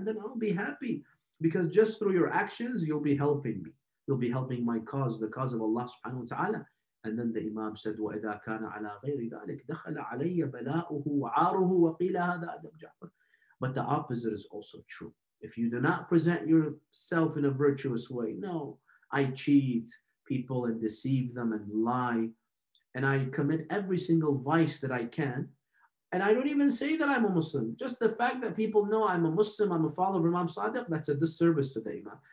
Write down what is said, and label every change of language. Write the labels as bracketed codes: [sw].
[en] And then I'll be happy because just through your actions, you'll be helping me. You'll be helping my cause, the cause of Allah subhanahu wa ta'ala. And then the Imam said, [ar] وَإِذَا كَانَ عَلَىٰ غَيْرِ ذَلِكَ دَخَلَ عَلَيَّ بَلَاؤُهُ وَعَارُهُ وَقِيلَ هَذَا أَدَبْ جَعْفَرِ. [en] But the opposite is also true. If you do not present yourself in a virtuous way, no, I cheat people and deceive them and lie, and I commit every single vice that I can, and I don't even say that I'm a Muslim. Just the fact that people know I'm a Muslim, I'm a follower of Imam Sadiq, that's a disservice to the Imam.